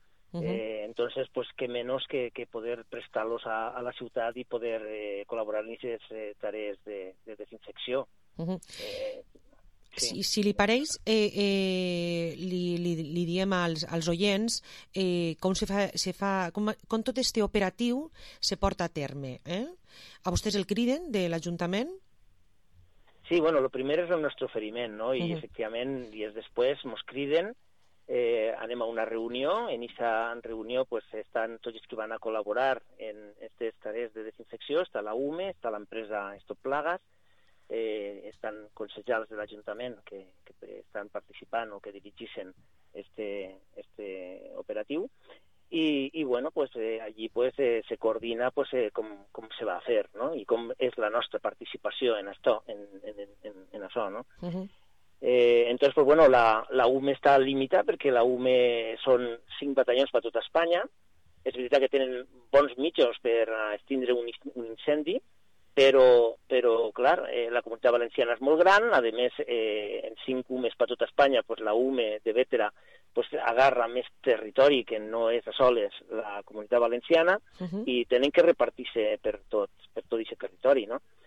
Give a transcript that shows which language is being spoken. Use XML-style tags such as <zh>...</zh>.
<es>Entonces, pues que menos que poder prestarlos</es> <ca>a la ciutat i poder col·laborar en aquestes tarees de desinfecció. Si li pareix, li diem als oients com tot este operatiu se porta a terme, eh? A vostès el criden de l'Ajuntament?</ca> <es>Sí, bueno, lo primero es el nuestro oferiment, ¿no? Y efectivament, días después nos criden.</es> <ca>Anem a una reunió. En aquesta reunió pues, estan tots els que van a col·laborar en aquestes tarees de desinfecció. Està la UME, està l'empresa Stop Plagues, estan consejals de l'Ajuntament que estan participant o que dirigeixen este operatiu. I bueno, pues, allí pues, se coordina pues, com se va a fer, no? I com és la nostra participació en això, en això, no?</ca> <es>Entonces, pues bueno, la UME está limitada porque la UME son 5 batallons para toda España. Es verdad que tienen</es> <ca>bons mitjos per extindre un incendi, pero claro, la comunitat valenciana es molt gran, a més en 5 UMEs</ca> <es>para toda España,</es> <ca>pues la UME de Vétera pues agarra més territori que no és a soles la comunitat valenciana i tenen que repartir-se per tot ese territori, no?</ca>